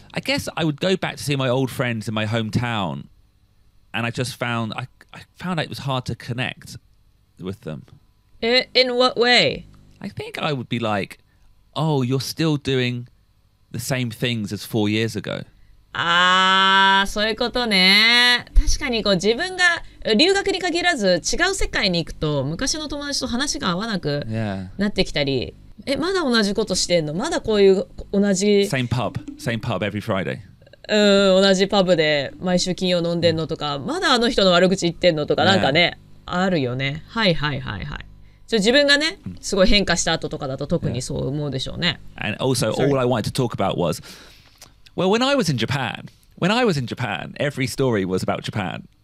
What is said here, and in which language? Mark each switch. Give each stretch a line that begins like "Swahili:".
English: I guess I would go back to see my old friends in my hometown, and I just found... I found it was hard to connect with them. In what way? I think I would be like, oh, you're still doing the same things as 4 years ago.
Japanese: Ah, そういうことね。確かにこう自分が留学に限らず違う世界に行くと昔の友達と話が合わなくなってきたり、
English: yeah.
Japanese: まだ同じことしてんの、まだこういう同じ
English: same pub every Friday、
Japanese: 同じパブで毎週金曜飲んでんのとか、まだあの人の悪口言ってんのとか、なんかね、yeah. あるよね。はいはいはいはい。自分がね、すごい変化した後とかだと特にそう思うでしょうね。
English: And also, all I wanted to talk about was, well, when I was in Japan, every story was about Japan.